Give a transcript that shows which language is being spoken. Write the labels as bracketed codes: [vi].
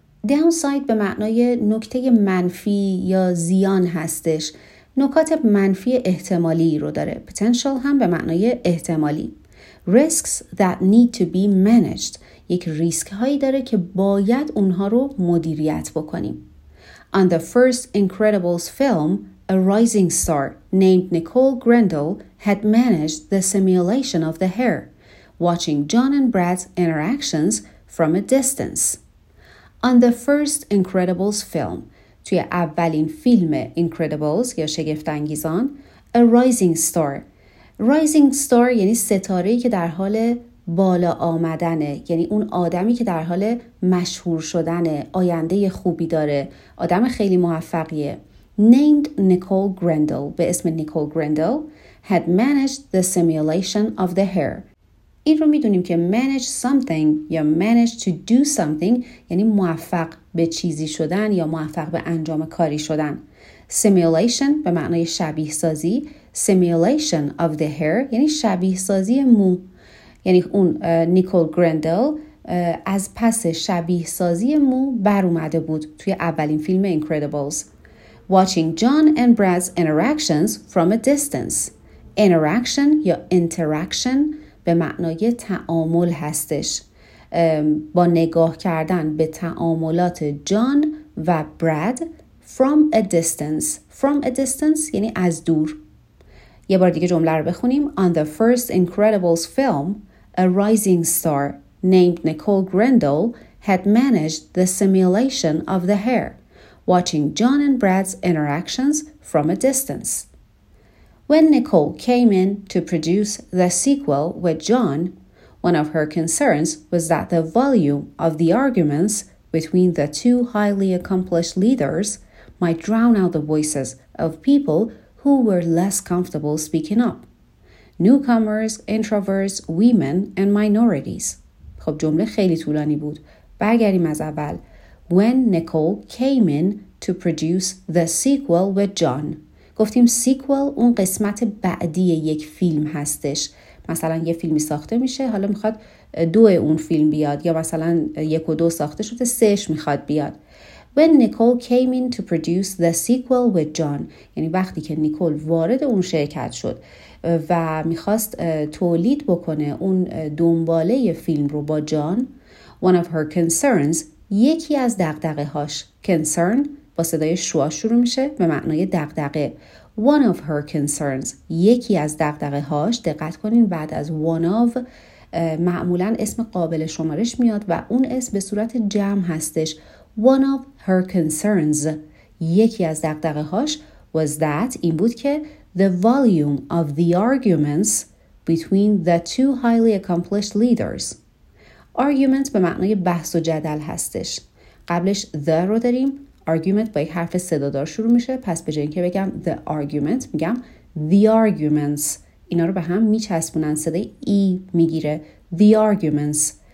[fa] Downside به معنای نکته منفی یا زیان هستش، نکات منفی احتمالی رو داره. Potential هم به معنای احتمالی. [en] risks that need to be managed، [fa] یک ریسک هایی داره که باید اونها رو مدیریت بکنیم. [en] On the first Incredibles film, a rising star named Nicole Grendel had managed the simulation of the hair, watching John and Brad's interactions from a distance. On the first Incredibles film, [fa] توی اولین فیلم Incredibles یا شگفت انگیزان, [en] a rising star. [fa] Rising star یعنی ستاره‌ای که در حال بالا آمدنه، یعنی اون آدمی که در حال مشهور شدنه، آینده خوبی داره، آدم خیلی موفقیه. [en] Named Nicole Grendel, [fa] به اسم [en] Nicole Grendel, had managed the simulation of the hair. [fa] این رو میدونیم که manage something یا [en] manage to do something [fa] یعنی موفق به چیزی شدن یا موفق به انجام کاری شدن. Simulation به معنای شبیه سازی. [en] Simulation of the hair [fa] یعنی شبیه سازی مو. یعنی اون نیکول گرندل از پس شبیه سازی مو بر اومده بود توی اولین فیلم Incredibles. [en] Watching John and Brad's interactions from a distance. [fa] Interaction یا interaction به معنای تعامل هستش. با نگاه کردن به تعاملات جان و براد [en] from a distance. From a distance [fa] یعنی از دور. یه بار دیگه جمله رو بخونیم. [en] On the first Incredibles film, a rising star named Nicole Grendel had managed the simulation of the hair, watching John and Brad's interactions from a distance. When Nicole came in to produce the sequel with John, one of her concerns was that the volume of the arguments between the two highly accomplished leaders might drown out the voices of people who were less comfortable speaking up. Newcomers, introverts, women, and minorities. [fa] خب جمله خیلی طولانی بود. برگردیم از اول. [en] When Nicole came in to produce the sequel with John. [fa] گفتیم sequel اون قسمت بعدی یک فیلم هستش. مثلا یه فیلمی ساخته میشه. حالا میخواد دو اون فیلم بیاد. یا مثلا یک و دو ساخته شده. سهش میخواد بیاد. [en] When Nicole came in to produce the sequel with John. [fa] یعنی وقتی که نیکول وارد اون شرکت شد. و میخواست تولید بکنه اون دنباله فیلم رو با جان. [en] One of her concerns، [fa] یکی از دغدغه هاش. Concern با صدای شوا شروع میشه به معنای دغدغه. [en] One of her concerns، [fa] یکی از دغدغه هاش. دقت کنین بعد از one of معمولا اسم قابل شمارش میاد و اون اسم به صورت جمع هستش. [en] One of her concerns، [fa] یکی از دغدغه هاش. [en] Was that، [fa] این بود که [en] the volume of the arguments between the two highly accomplished leaders. [fa] Argument به معنای بحث و جدل هستش. قبلش the رو داریم. Argument با یک حرف صدادار شروع میشه. پس به جای اینکه بگم [en] the argument [fa] میگم [en] the arguments. [fa] اینا رو به هم میچسبونن. صدای ای میگیره. [en] The arguments.